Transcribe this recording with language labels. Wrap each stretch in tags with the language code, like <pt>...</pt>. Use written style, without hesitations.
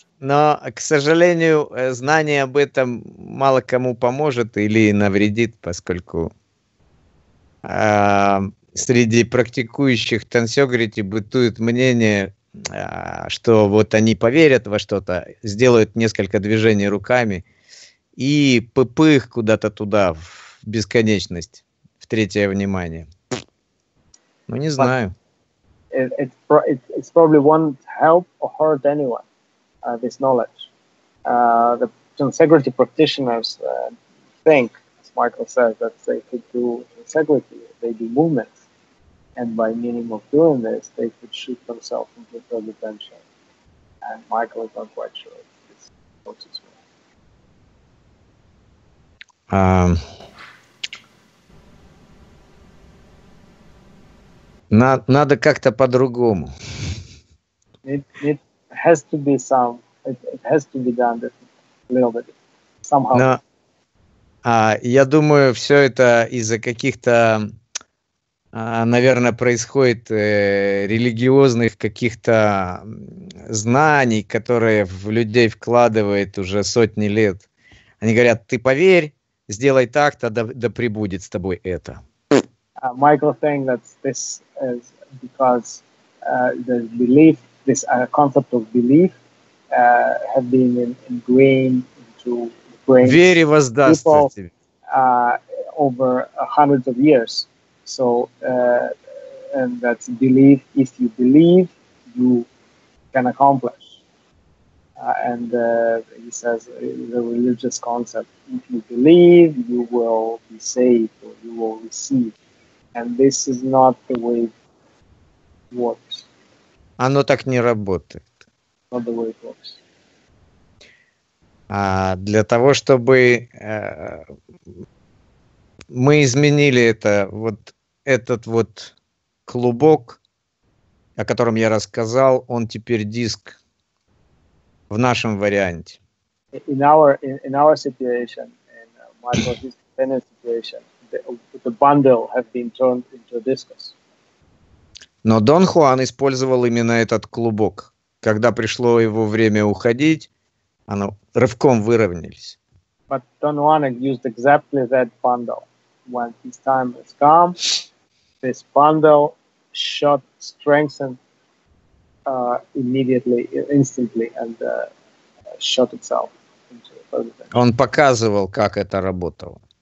<ru>Но, к сожалению, знание об этом мало кому поможет или навредит, поскольку среди практикующих тансёгрити бытует мнение, что вот они поверят во что-то, сделают несколько движений руками и пых куда-то туда, в бесконечность, в третье внимание. Ну, не знаю.</ru> <en>It's probably won't help or hurt anyone, this knowledge. The integrity practitioners think, as Michael says, that they could do integrity, they do movements, and by meaning of doing this, they could shoot themselves into the dimension. And Michael is not quite sure this works as well.</en> <ru>Надо как-то по-другому.</ru> <en>It has to be some. It has to be done a little bit somehow.</en> <ru>Но, я думаю, все это из-за каких-то, наверное, происходит религиозных каких-то знаний, которые в людей вкладывает уже сотни лет. Они говорят: ты поверь, сделай так-то, да прибудет с тобой это.</ru> <en>Michael saying that this is because the belief, this concept of belief have been in grain into grain.</en> <ru>Вере воздастся</ru> <en>people,</en> <ru>тебе.</ru> <en>Over hundreds of years. So and that's belief. If you believe, you can accomplish. He says the religious concept: if you believe, you will be saved or you will receive. And this is not the way it works.</en> <ru>Оно так не работает.</ru> <en>Not the way it works.</en> <ru>А для того, чтобы мы изменили это, вот этот вот клубок, о котором я рассказал, он теперь диск в нашем варианте.</ru> <en>In our situation, in Michael's dependent situation, the bundle have been turned into a discus.</en> <ru>Но Дон Хуан использовал именно этот клубок. Когда пришло его время уходить, оно рывком выровнялись.</ru> <en>But Don Juan used exactly that bundle. When his time has come, this bundle shot strengthened immediately, instantly, and shot itself into everything.</en> <ru>Он показывал, как это работало.</ru>